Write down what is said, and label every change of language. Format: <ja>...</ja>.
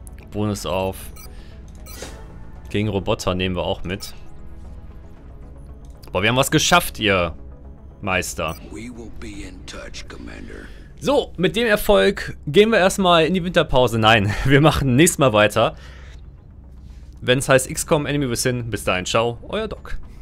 <de>Bonus auf. Gegen Roboter nehmen wir auch mit. Aber wir haben was geschafft, ihr Meister.</de> <en>We will be in touch, Commander.</en> <de>So, mit dem Erfolg gehen wir erstmal in die Winterpause. Nein, wir machen nächstes Mal weiter. Wenn es heißt XCOM Enemy Within, bis dahin, ciao, euer Doc.</de>